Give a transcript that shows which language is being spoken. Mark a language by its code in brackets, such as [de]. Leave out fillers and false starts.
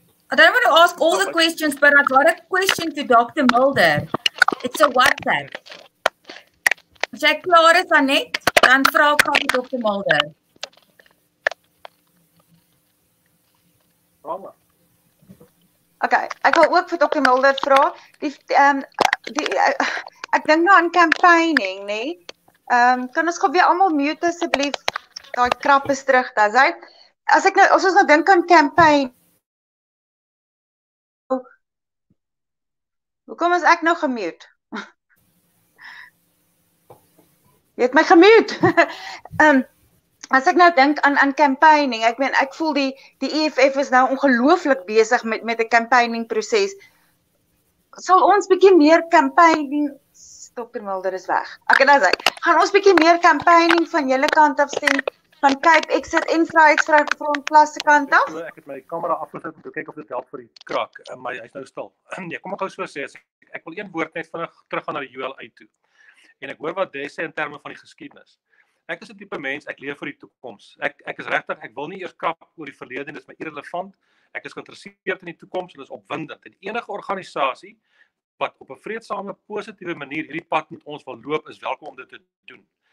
[en] I don't want to ask all the questions, but I got a question to Dr. Mulder. It's a WhatsApp. [af] As jy klaar is, Annette, dan vra ek aan Dr. Mulder. Oké, okay, ek wil ook vir Dr. Mulder vra, ek dink nou aan campaigning, nee, kan ons gewoon weer allemaal mute, asseblief, die krap is terug, daar sê, as ons nou dink aan campaign, hoekom is ek nou gemute? Jy het my gemute! As ek nou dink aan campaigning, ek meen, ek voel die EFF is nou ongelooflik besig met die campaigning proces. Sal ons bietjie meer campaigning, Dr. Mulder is weg. Ek en as ek, gaan ons bietjie meer campaigning van julle kant af sien, van Cape Exit en Vryheidsfront plus se kant af? Ek het my kamera afgesit om te kyk of dit help vir die krak, maar hy is nou stil. Nee, kom ek gou so sê, ek wil een woord net vinnig terug gaan na die ULI toe. En ek hoor wat Des sê in termen van die geskiedenis. Ek is 'n tipe mens, ek leef vir die toekoms. Ek is regtig, ek wil nie eers krap oor die verlede, dit is my irrelevant. Ek is geïnteresseerd in die toekoms, dit is opwindend. En enige organisasie wat op 'n vreedsame, positiewe manier hierdie pad met ons wil loop, is welkom om dit te doen.